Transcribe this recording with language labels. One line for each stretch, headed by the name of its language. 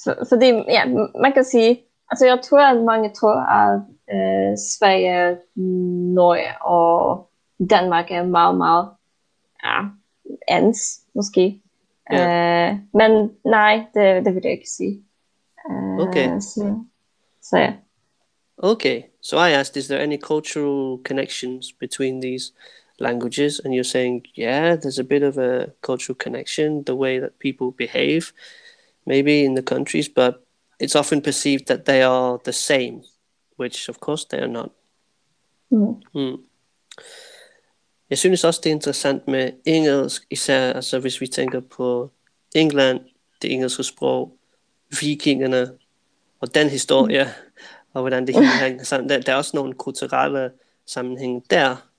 Danish: Fordi ja, man kan sige, altså jeg tror, at mange tror, at Sverige, Norge og Danmark er meget, meget ens, måske. Yeah. Men nej, det vil jeg ikke sige. Okay. Så ja.
English: Okay, so I asked, is there any cultural connections between these languages? And you're saying, yeah, there's a bit of a cultural connection, the way that people behave, maybe in the countries, but it's often perceived that they are the same. Which, of course, they are not. Mm. Mm.
Danish: Jeg synes også, det er interessant med engelsk, især altså, hvis vi tænker på England, det engelske sprog, vikingerne, og den historie, og hvordan det hele hænger sammen. Der er også nogle kulturelle sammenhæng der,